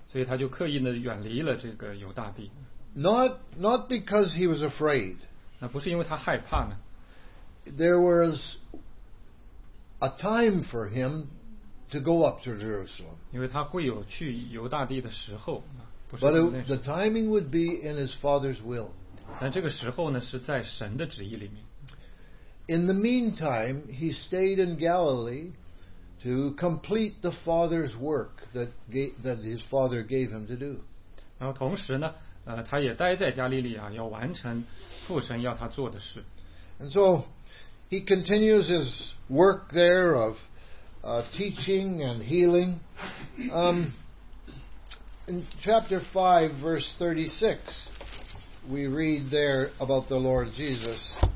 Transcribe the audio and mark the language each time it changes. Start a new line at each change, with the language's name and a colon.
Chinese: 所以他就刻意的远离了这个犹大地。
English: Not because he was afraid.
Chinese: 那不是因为他害怕呢。
English: There was a time for him to go up to Jerusalem.
Chinese: 因为他会有去犹大地的时候。
English: But the timing would be in his father's will.
Chinese: 但这个时候呢，是在神的旨意里面。
English: In the meantime, he stayed in Galilee to complete the father's work that his father gave him to do.
Chinese: 然后同时呢。他也待在加利利啊，要完成父神要他做的事。
English: And so he continues his work there of teaching and healing. In chapter 5, verse 36, we read there about the Lord Jesus.